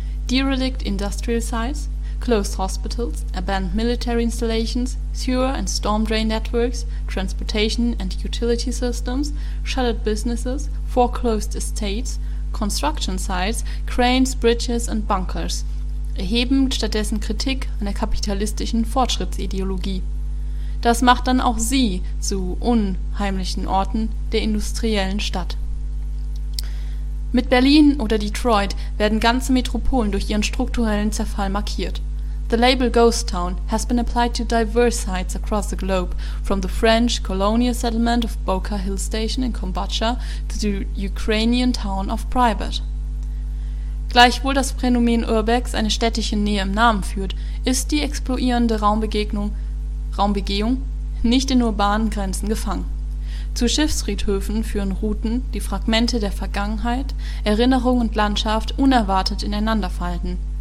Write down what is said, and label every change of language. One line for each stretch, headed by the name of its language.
English: Derelict industrial sites, closed hospitals, abandoned military installations, sewer and storm drain networks, transportation and utility systems, shuttered businesses, foreclosed estates, construction sites, cranes, bridges and bunkers
German: erheben stattdessen Kritik an der kapitalistischen Fortschrittsideologie. Das macht dann auch sie zu unheimlichen Orten der industriellen Stadt. Mit Berlin oder Detroit werden ganze Metropolen durch ihren strukturellen Zerfall markiert.
English: The label Ghost Town has been applied to diverse sites across the globe, from the French colonial settlement of Boca Hill Station in Kombucha to the Ukrainian town of Pripyat.
German: Gleichwohl das Phänomen Urbex eine städtische Nähe im Namen führt, ist die explodierende Raumbegehung nicht in urbanen Grenzen gefangen. Zu Schiffsfriedhöfen führen Routen, die Fragmente der Vergangenheit, Erinnerung und Landschaft unerwartet ineinander falten.